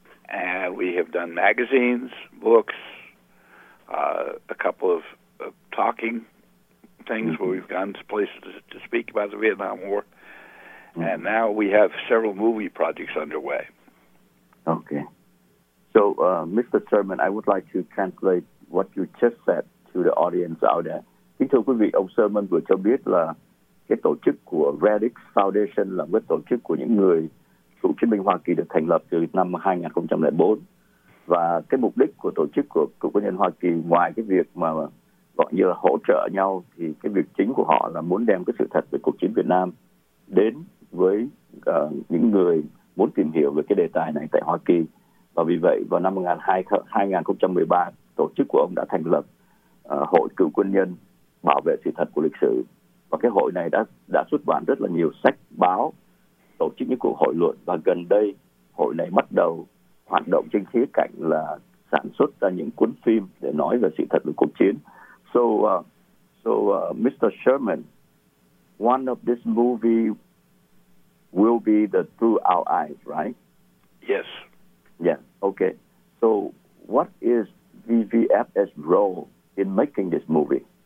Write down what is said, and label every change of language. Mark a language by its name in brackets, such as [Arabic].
[English] And we have done magazines, books, a couple of talking things where we've gone to places to speak about the Vietnam War. Mm-hmm. And now we have several movie projects underway. Okay. So, Mr. Sherman, I would like to translate what you just said to the audience out there. [Vietnamese] Kính thưa quý vị, ông Sherman vừa cho biết là cái tổ chức của Radix Foundation là một tổ chức của những người cựu chiến binh Hoa Kỳ được thành lập từ năm 2004. Và cái mục đích của tổ chức của cựu quân nhân Hoa Kỳ, ngoài cái việc mà gọi như là hỗ trợ nhau, thì cái việc chính của họ là muốn đem cái sự thật về cuộc chiến Việt Nam đến với những người muốn tìm hiểu về cái đề tài này tại Hoa Kỳ. Và vì vậy, vào năm 2013, tổ chức của ông đã thành lập Hội Cựu quân nhân bảo vệ sự thật của lịch sử, và cái hội này đã xuất bản rất là nhiều sách báo, tổ chức những cuộc hội luận, và gần đây hội này bắt đầu hoạt động trên khía cạnh là sản xuất ra những cuốn phim để nói về sự thật về cuộc chiến. [English] So Mr. Sherman, one of this movie will be the Through Our Eyes, right? Yes. Yeah. Okay. So what is VVFS role in making this movie?